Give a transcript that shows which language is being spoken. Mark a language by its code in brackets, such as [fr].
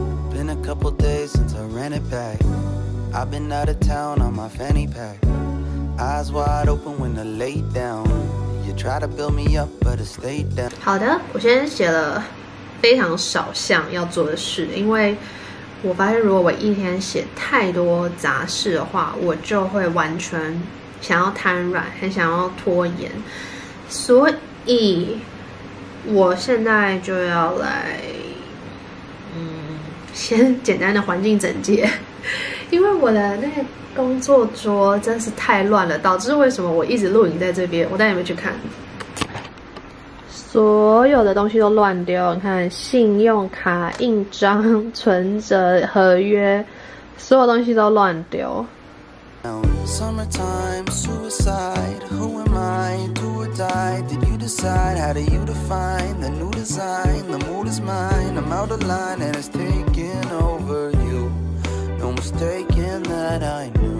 [en] Been a couple days since I ran it back. I've been out of town on my fanny pack. Eyes wide open when I lay down. You try to build me up, but I stay down. [zh] 好的，我先写了非常少项要做的事，因为我发现如果我一天写太多杂事的话，我就会完全想要瘫软，很想要拖延。所以我现在就要来，先简单的环境整洁，因为我的那个工作桌真是太乱了，导致为什么我一直录影在这边，我带你们去看，所有的东西都乱丢，你看信用卡、印章、存折、合约，所有东西都乱丢。 [en] Summertime, suicide, who am I, do or die, did you decide, how do you define, the new design, the mood is mine, I'm out of line, and it's taking over you, no mistake in that I know.